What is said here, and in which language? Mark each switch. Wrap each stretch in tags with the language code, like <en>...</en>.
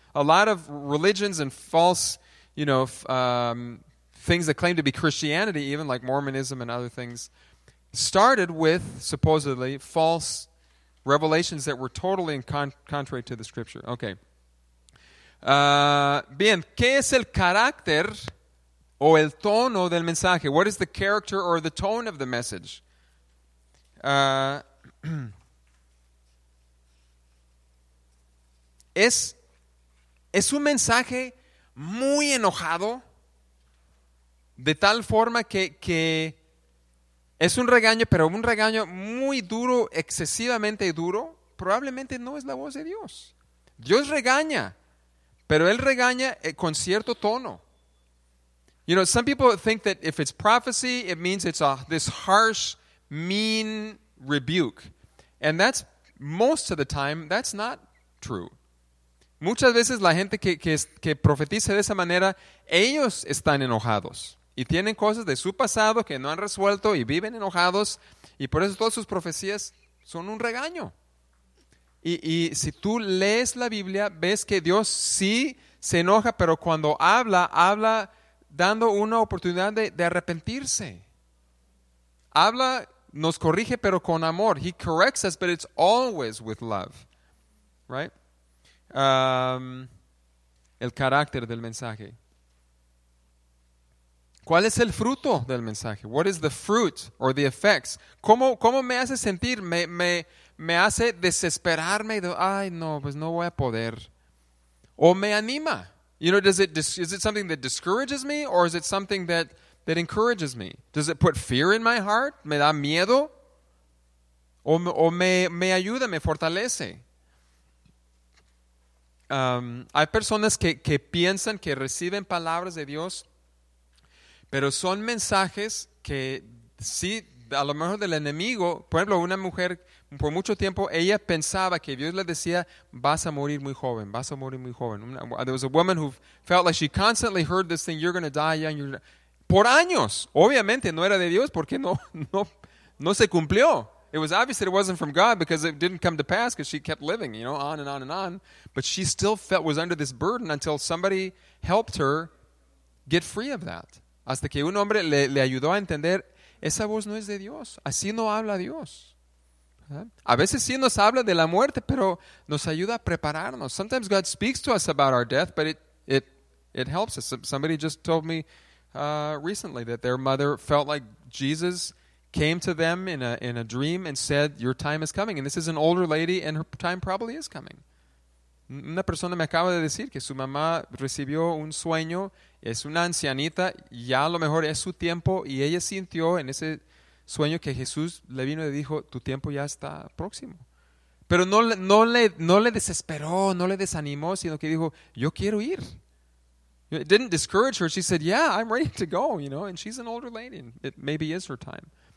<en>A lot of religions and false, you know, things that claim to be Christianity, even like Mormonism and other things, started with supposedly false revelations that were totally contrary to the scripture. Okay.</en> <es>Bien, ¿qué es el carácter o el tono del mensaje?</es> <en>What is the character or the tone of the message?</en> <es>¿Es un mensaje muy enojado? De tal forma que es un regaño, pero un regaño muy duro, excesivamente duro. Probablemente no es la voz de Dios. Dios regaña, pero Él regaña con cierto tono.</es> <en>You know, some people think that if it's prophecy, it means it's this harsh, mean rebuke. And that's, most of the time, that's not true.</en> <es>Muchas veces la gente que profetiza de esa manera, ellos están enojados. Y tienen cosas de su pasado que no han resuelto y viven enojados. Y por eso todas sus profecías son un regaño. Y si tú lees la Biblia, ves que Dios sí se enoja, pero cuando habla, habla dando una oportunidad de arrepentirse. Habla, nos corrige, pero con amor.</es> <en>He corrects us, but it's always with love.</en> <es>Right? El carácter del mensaje. ¿Cuál es el fruto del mensaje?</es> <en>What is the fruit or the effects?</en> <es>¿Cómo me hace sentir? Me hace desesperarme. Ay, no, pues no voy a poder. ¿O me anima?</es> <en>You know, is it something that discourages me, or is it something that encourages me? Does it put fear in my heart?</en> <es>¿Me da miedo? ¿O me ayuda, me fortalece? Hay personas que piensan que reciben palabras de Dios, pero son mensajes que sí, a lo mejor del enemigo. Por ejemplo, una mujer, por mucho tiempo, ella pensaba que Dios le decía, vas a morir muy joven, vas a morir muy joven.</es> <en>There was a woman who felt like she constantly heard this thing, you're going to die young.</en> <es>Por años, obviamente, no era de Dios porque no se cumplió.</es> <en>It was obvious that it wasn't from God because it didn't come to pass because she kept living, you know, on and on and on. But she still felt, was under this burden until somebody helped her get free of that.</en> <es>Hasta que un hombre le ayudó a entender, esa voz no es de Dios. Así no habla Dios. A veces sí nos habla de la muerte, pero nos ayuda a prepararnos.</es> <en>Sometimes God speaks to us about our death, but it helps us. Somebody just told me recently that their mother felt like Jesus came to them in a dream and said, your time is coming. And this is an older lady, and her time probably is coming.</en> <es>Una persona me acaba de decir que su mamá recibió un sueño, es una ancianita, ya a lo mejor es su tiempo, y ella sintió en ese sueño que Jesús le vino y le dijo, tu tiempo ya está próximo. Pero no le desesperó, no le desanimó, sino que dijo, yo quiero ir.</es> <en>It didn't discourage her. She said, yeah, I'm ready to go, you know, and she's an older lady, and it maybe is her time.</en>